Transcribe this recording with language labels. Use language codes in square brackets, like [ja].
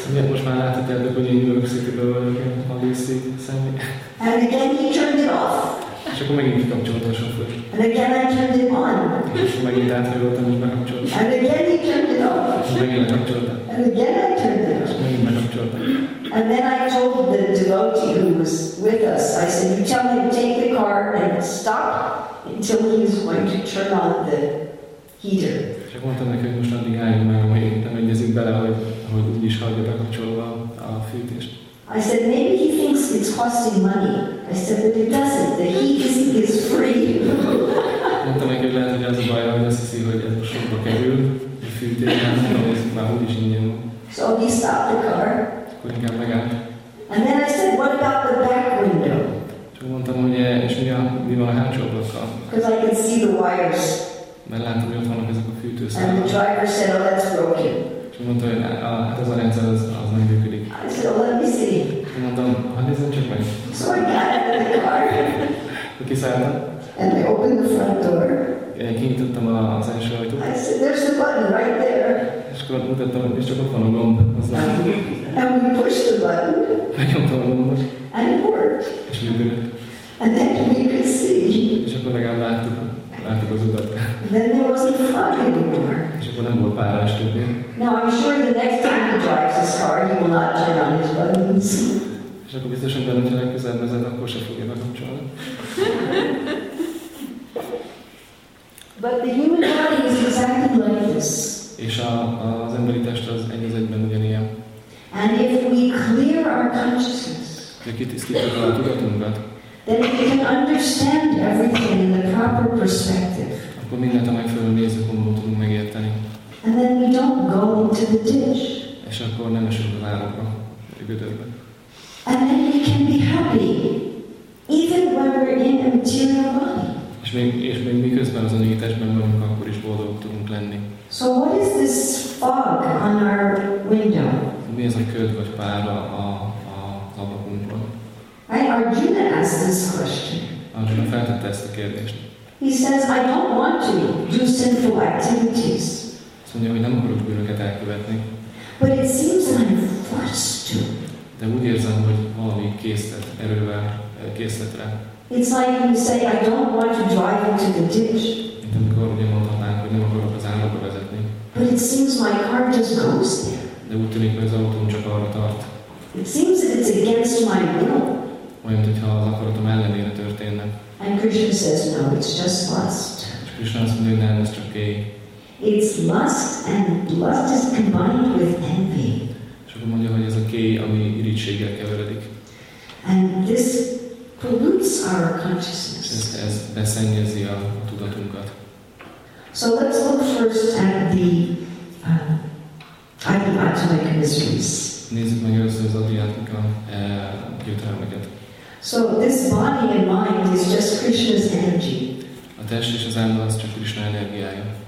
[hu] Most már láthatjátok, hogy én New York City-ből vagyok, én a DC személy. [en] And again he turned it off. [hu] És akkor megint kikapcsoltam a sofőrt. [en] And again I turned it on. [hu] És megint áthajoltam, és bekapcsoltam. [en] And again he turned it off. [hu] És megint lekapcsoltam. [en] And again I turned it off. [hu] És megint bekapcsoltam. [en] And then I told the devotee who was with us, I said, you tell him to take the car and stop until he's going to turn on the heater. [hu] És akkor mondtam neki, hogy most addig álljunk meg, amíg nem egyezik bele, hogy úgy is hagyja bekapcsolva a fűtést. [en] I said, maybe he thinks it's costing money. I said, but it doesn't. The heat is free. [hu] Mondtam neki, hogy lehet, hogy az a baj, hogy azt hiszi, hogy ez most sokba kerül, a fűtés, nem tudom, már úgy is ingyen. [en] So he stopped the car. [hu] Akkor inkább megállt. [en] And then I said, what about the back window? [hu] Csak mondtam, hogy és mi van a hátsó ablakkal? [en] Because I can see the wires. [hu] Mert látom, hogy ott vannak ezek a fűtőszálak. [en] And the driver said, oh, that's broken. [hu] Csak mondta, hogy hát ez a rendszer az nem működik. [en] I said, oh, let me see. [hu] Mondtam, hát nézzem csak meg. [en] So I got out of the car. [hu] Akkor kiszálltam. [en] And I opened the front door. [hu] Kinyitottam az első ajtót. [en] I said, there's the button right there. [hu] És akkor mutattam, hogy csak ott van a gomb. [en] And we pushed the button. [hu] Megnyomtam a gombot. [en] And it worked. [hu] És működött. [en] And then we could see. [hu] És akkor legalább láttuk az utat. [en] Then there wasn't a fog anymore. [hu] És akkor nem volt párás többé. [en] Now I'm sure the next time he drives his car, he will not turn on his buttons. [hu] És akkor biztosan benne, hogy legközelebb ezen, akkor se fogja bekapcsolni. [en] But the human body is exactly like this. [hu] És az emberi test az egy az egyben ugyanilyen. [en] And if we clear our consciousness, [hu] de kitisztítjuk a tudatunkat, [en] then we can understand everything in the proper perspective. [hu] Akkor mindent a megfelelő nézőpontból tudunk megérteni. [en] And then we don't go into the ditch. [hu] És akkor nem esünk a várokba, a gödörbe. [en] And then we can be happy, even when we're in a material body. [hu] És még miközben az anyagi testben vagyunk, akkor is boldogok tudunk lenni. [en] So what is this fog on our window? [hu] Mi ez a köd vagy pár a ablakunkban? [en] Arjuna asked this question. [hu] Arjuna feltette ezt a kérdést. [en] He says, I don't want to do sinful activities. [hu] Azt mondja, hogy nem akarok bűnöket elkövetni. [en] But it seems like I'm forced to. [hu] De úgy érzem, hogy valami késztet, erővel késztet rá. [en] It's like you say, I don't want to drive into the ditch. [hu] Mint amikor ugye mondhatnánk, hogy nem akarok az állapba vezetni. [en] But it seems my car just goes there. [hu] De úgy tűnik, hogy az autóm csak arra tart. [en] It seems that it's against my will. [hu] Olyan, mintha az akaratom ellenére történne. [en] And Krishna says, no, it's just lust. [hu] És Krishna azt mondja, hogy nem, ez csak éj. [en] It's lust, and lust is combined with envy. [hu] És akkor mondja, hogy ez a kéj, ami irigységgel keveredik. [en] And this pollutes our consciousness. [hu] Ez beszennyezi a tudatunkat. [en] So let's look first at the adhyatmika miseries. [hu] Nézzük meg először az adhyatmika gyötrelmeket. [en] So this body and mind is just Krishna's energy. [hu] A test és az álma az csak Krishna energiája.